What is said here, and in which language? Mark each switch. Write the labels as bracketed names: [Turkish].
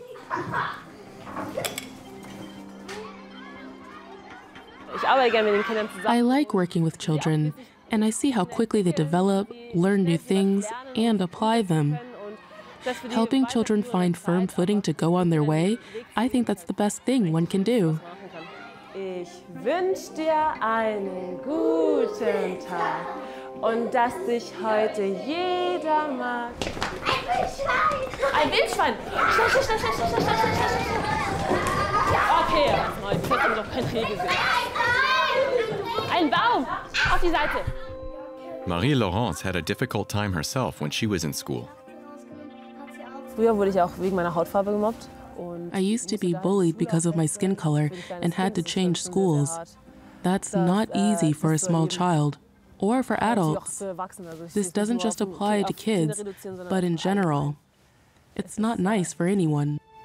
[English] I like working with children, and I see how quickly they develop, learn new things, and apply them. Helping children find firm footing to go on their way, I think that's the best thing one can do. [German] Ich wünsche dir einen guten Tag und dass dich heute jeder mag. Ein Wildschwein! Ein Wildschwein! Okay, ich hätte doch kein Regen gesehen. Ein Baum! Auf die Seite! [English] Marie-Laurence had a difficult time herself when she was in school. [German] Früher wurde ich auch wegen meiner Hautfarbe gemobbt. [English] I used to be bullied because of my skin color and had to change schools. That's not easy for a small child or for adults. This doesn't just apply to kids, but in general. It's not nice for anyone.